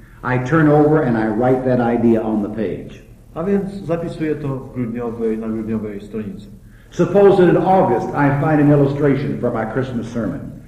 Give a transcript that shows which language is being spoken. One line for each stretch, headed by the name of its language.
English: I turn over and I write that idea on the page.
Polish: A więc zapisuję to w grudniowej, na grudniowej stronicy.
English: Suppose that in August I find an illustration for my Christmas sermon.